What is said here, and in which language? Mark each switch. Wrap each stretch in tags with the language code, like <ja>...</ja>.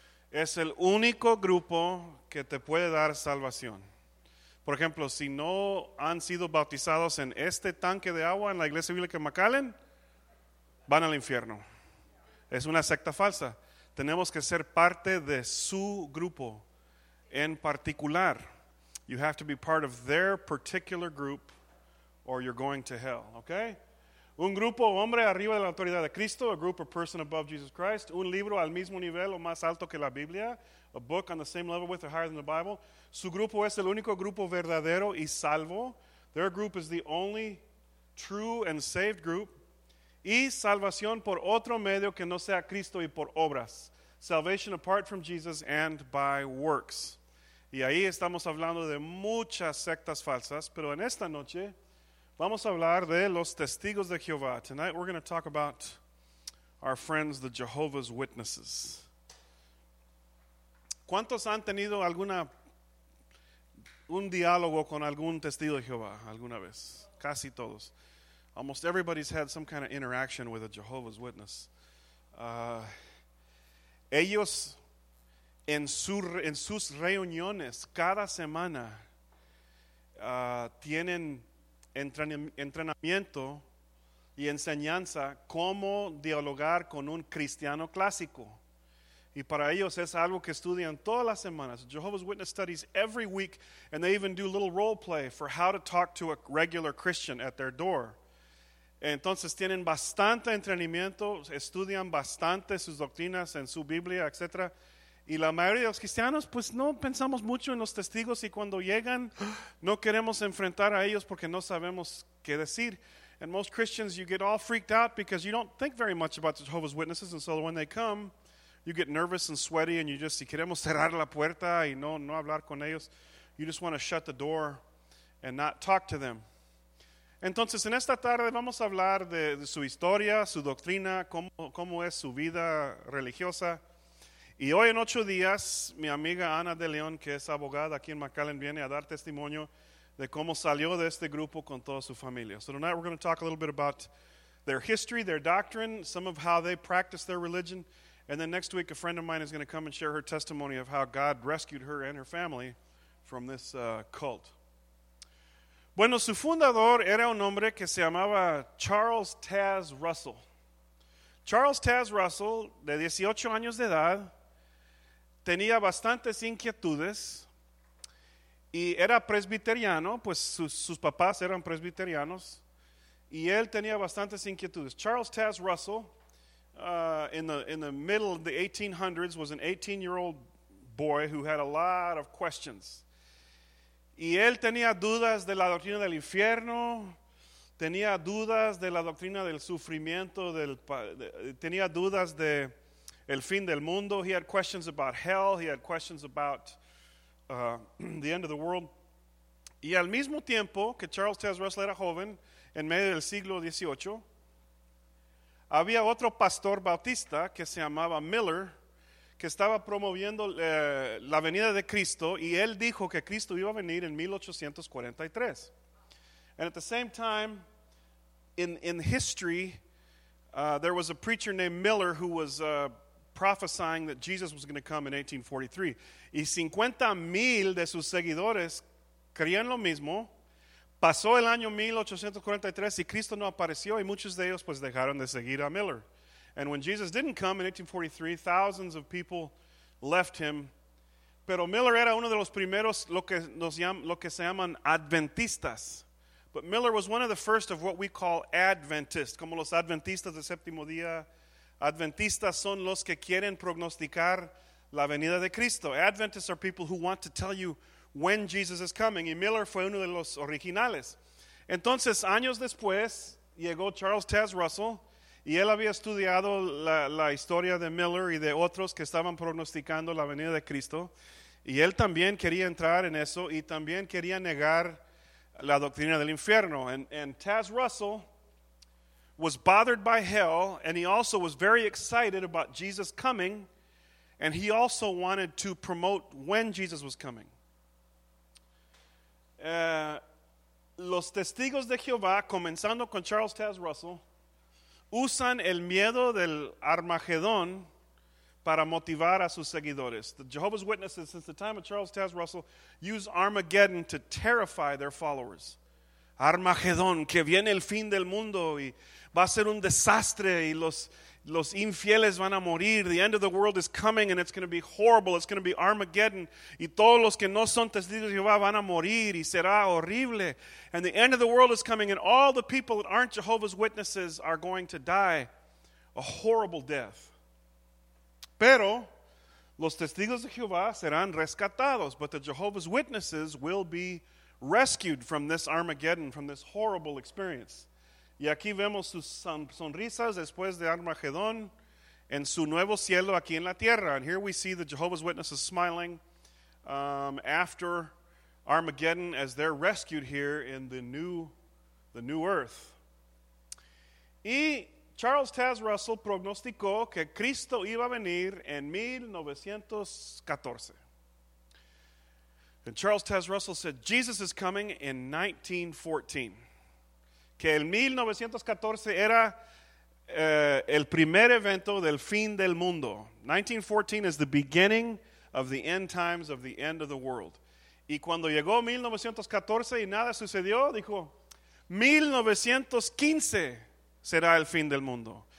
<es>Es el único grupo que te puede dar salvación. Por ejemplo, si no han sido bautizados en este tanque de agua en la iglesia bíblica de McAllen, van al infierno. Es una secta falsa. Tenemos que ser parte de su grupo en particular.</es> <en>You have to be part of their particular group. Or you're going to hell, okay?</en> <es>Un grupo hombre arriba de la autoridad de Cristo,</es> <en>a group of person above Jesus Christ,</en> <es>un libro al mismo nivel o más alto que la Biblia,</es> <en>a book on the same level with or higher than the Bible.</en> <es>Su grupo es el único grupo verdadero y salvo.</es> <en>Their group is the only true and saved group.</en> <es>Y salvación por otro medio que no sea Cristo y por obras.</es> <en>Salvation apart from Jesus and by works.</en> <es>Y ahí estamos hablando de muchas sectas falsas, pero en esta noche vamos a hablar de los testigos de Jehová.</es> <en>Tonight we're going to talk about our friends, the Jehovah's Witnesses.</en> <es>¿Cuántos han tenido un diálogo con algún testigo de Jehová alguna vez? Casi todos.</es> <en>Almost everybody's had some kind of interaction with a Jehovah's Witness.</en> <es>Ellos en sus reuniones cada semana tienen entrenamiento y enseñanza cómo dialogar con un cristiano clásico. Y para ellos es algo que estudian todas las semanas.</es> <en>Jehovah's Witness studies every week, and they even do a little role play for how to talk to a regular Christian at their door.</en> <es>Entonces tienen bastante entrenamiento, estudian bastante sus doctrinas en su Biblia, etc. Y la mayoría de los cristianos, pues no pensamos mucho en los testigos, y cuando llegan, no queremos enfrentar a ellos porque no sabemos qué decir.</es> <en>And most Christians, you get all freaked out because you don't think very much about the Jehovah's Witnesses, and so when they come, you get nervous and sweaty, and you just,</en> <es>si queremos cerrar la puerta y no hablar con ellos,</es> <en>you just want to shut the door and not talk to them.</en> <es>Entonces, en esta tarde vamos a hablar de su historia, su doctrina, cómo es su vida religiosa. Y hoy en ocho días, mi amiga Ana de León, que es abogada aquí en McAllen, viene a dar testimonio de cómo salió de este grupo con toda su familia.</es> <en>So tonight we're going to talk a little bit about their history, their doctrine, some of how they practice their religion. And then next week, a friend of mine is going to come and share her testimony of how God rescued her and her family from this cult.</en> <es>Bueno, su fundador era un hombre que se llamaba Charles Taz Russell. Charles Taz Russell, de 18 años de edad, tenía bastantes inquietudes y era presbiteriano, pues sus papás eran presbiterianos, y él tenía bastantes inquietudes.</es> <en>Charles Taz Russell, in the middle of the 1800s, was an 18-year-old boy who had a lot of questions.</en> <es>Y él tenía dudas de la doctrina del infierno, tenía dudas de la doctrina del sufrimiento, tenía dudas de el fin del mundo.</es> <en>He had questions about hell. He had questions about the end of the world.</en> <es>Y al mismo tiempo que Charles Taz Russell era joven, en medio del siglo XVIII, había otro pastor bautista que se llamaba Miller, que estaba promoviendo la venida de Cristo, y él dijo que Cristo iba a venir en 1843.</es> <en>And at the same time, in history, there was a preacher named Miller who was prophesying that Jesus was going to come in 1843.</en> <es>Y 50,000 de sus seguidores creían lo mismo. Pasó el año 1843 y Cristo no apareció, y muchos de ellos pues dejaron de seguir a Miller.</es> <en>And when Jesus didn't come in 1843, thousands of people left him.</en> <es>Pero Miller era uno de los primeros, lo que se llaman adventistas.</es> <en>But Miller was one of the first of what we call Adventists,</en> <es>como los Adventistas del Séptimo Día. Adventistas son los que quieren prognosticar la venida de Cristo.</es> <en>Adventists are people who want to tell you when Jesus is coming.</en> <es>Y Miller fue uno de los originales. Entonces, años después, llegó Charles Taze Russell, y él había estudiado la historia de Miller y de otros que estaban prognosticando la venida de Cristo. Y él también quería entrar en eso, y también quería negar la doctrina del infierno.</es> <en>And Taze Russell was bothered by hell, and he also was very excited about Jesus coming, and he also wanted to promote when Jesus was coming.</en> <es>Los testigos de Jehová, comenzando con Charles Taze Russell, usan el miedo del Armagedón para motivar a sus seguidores.</es> <en>The Jehovah's Witnesses, since the time of Charles Taze Russell, use Armageddon to terrify their followers.</en> <es>Armagedón, que viene el fin del mundo y va a ser un desastre, y los infieles van a morir.</es> <en>The end of the world is coming and it's going to be horrible. It's going to be Armageddon.</en> <es>Y todos los que no son testigos de Jehová van a morir, y será horrible.</es> <en>And the end of the world is coming and all the people that aren't Jehovah's Witnesses are going to die a horrible death.</en> <es>Pero los testigos de Jehová serán rescatados.</es> <en>But the Jehovah's Witnesses will be rescued from this Armageddon, from this horrible experience.</en> <es>Y aquí vemos sus sonrisas después de Armagedón en su nuevo cielo aquí en la tierra.</es> <en>And here we see the Jehovah's Witnesses smiling after Armageddon as they're rescued here in the new earth.</en> <es>Y Charles Taze Russell prognosticó que Cristo iba a venir en 1914.</es> <en>And Charles Taze Russell said, Jesus is coming in 1914.</en> <es>Que el 1914 era el primer evento del fin del mundo.</es> <en>1914 is the beginning of the end times, of the end of the world.</en> <es>Y cuando llegó 1914 y nada sucedió, dijo, 1915 será el fin del mundo.</es>